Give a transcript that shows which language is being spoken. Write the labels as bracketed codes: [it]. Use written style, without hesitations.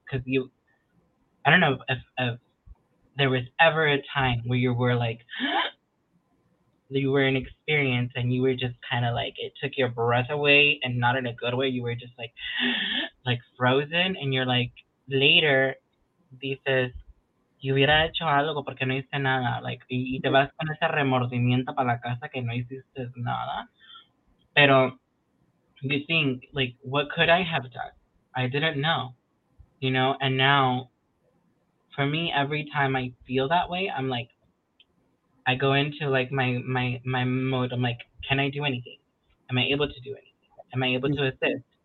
[en] Because I don't know if there was ever a time where you were like, you were an experience and you were just kind of like, it took your breath away, and not in a good way. You were just like frozen, and you're like, later, [es] dices, yo hubiera hecho algo porque no hice nada. Like, y te vas con ese remordimiento para la casa que no hiciste nada. [en] Pero you think, like, what could I have done? I didn't know, you know? And now, for me, every time I feel that way, I'm like, I go into, like, my mode. I'm like, can I do anything? Am I able to do anything? Am I able to assist?